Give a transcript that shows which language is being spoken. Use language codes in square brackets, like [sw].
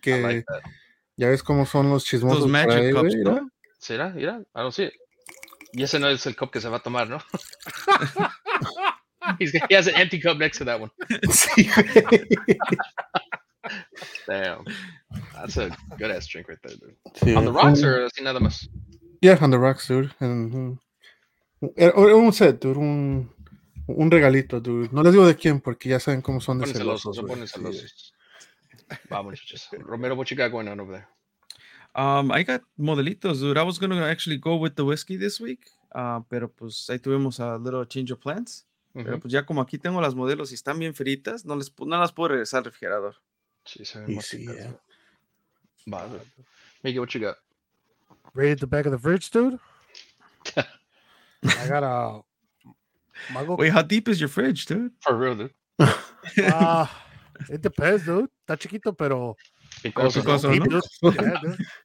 [es] Que like ya ves cómo son los chismosos. [en] Those magic cups, bro. [es] ¿No? ¿Será? [en] I don't see it. [es] Y ese no es el cup que se va a tomar, ¿no? [en] He has an empty cup next to that one. Damn. That's a good-ass drink right there, dude. [es] Sí, [en] on the rocks, or [es] así nada más? [en] Yeah, on the rocks, dude. [es] Un regalito, [en] dude. [es] No les digo de quién, porque ya saben cómo son de celosos. Se ponen celosos. Vamos, [en] Romero, what you got going on over there? I got modelitos, dude. I was going to actually go with the whiskey this week, [es] pero pues ahí tuvimos [en] a little change of plans. Mm-hmm. [es] Pero pues ya como aquí tengo las modelos y están bien fritas, no las puedo regresar al refrigerador. Sí, se ven más fritas. Sí, yeah. Miguel, [en] what you got? Right at the back of the fridge, dude. I got a mango. Wait, how deep is your fridge, dude? For real, dude. It depends, dude. [es] Está chiquito, pero... Picoso, ¿no?